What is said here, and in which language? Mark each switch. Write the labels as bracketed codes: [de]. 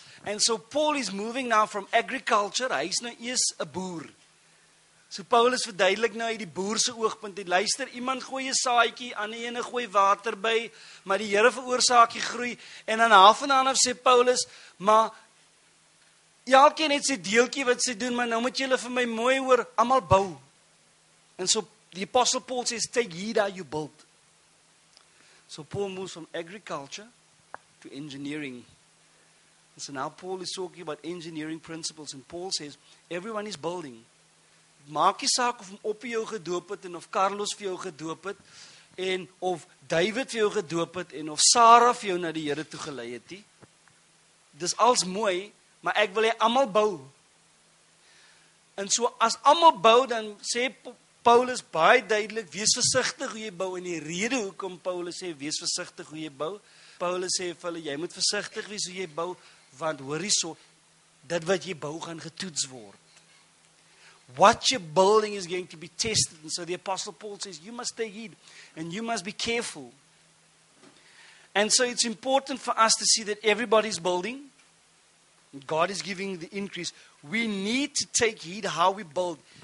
[en] And so Paul is moving now from agriculture. [af] Hy is nou eers 'n boer. So Paul is verduidelik nou uit die boerse oogpunt. Hy luister, iemand gooi 'n saaitjie, ander ene gooi water by, maar die Here veroorsaak die groei. En dan half en half sê Paulus, maar elkeen het sy deeltjie wat sy doen, maar nou moet julle vir my mooi hoor, almal bou. [en] En so the Apostle Paul says, take heed how you build. So Paul moves from agriculture to engineering. And so now Paul is talking about engineering principles. And Paul says, everyone is building. [af] Maak nie saak of Oppie jou gedoop het, en of Carlos vir jou gedoop het, en of David vir jou gedoop het, en of Sarah vir jou na die Here toe gelei het. Dis als mooi, maar ek wil jy allemaal bou. En so as allemaal bou, dan sê Paulus baie duidelik, wees versigtig hoe jy bou. En die rede hoekom Paulus sê, wees versigtig hoe jy bou. Paulus sê vir hulle, jy moet versigtig wees hoe jy bou, want hoor hierso, dit wat jy bou gaan getoets word. [en] What you're building is going to be tested. And so the Apostle Paul says, you must take heed and you must be careful. And so it's important for us to see that everybody's building. God is giving the increase. We need to take heed how we build.